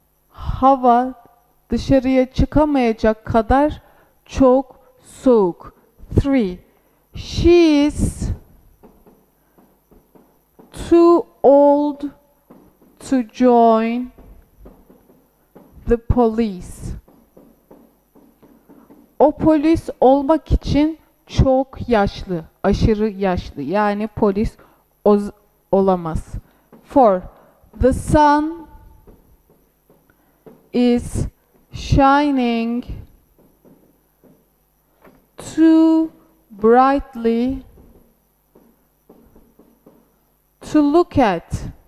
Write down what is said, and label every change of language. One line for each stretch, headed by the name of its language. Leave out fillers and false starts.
Turkish: Hava dışarıya çıkamayacak kadar çok soğuk. Three.
English: She is too old to join the police.
Turkish: O polis olmak için çok yaşlı, aşırı yaşlı. Yani polis olamaz. Four.
English: The sun is shining too brightly to look at.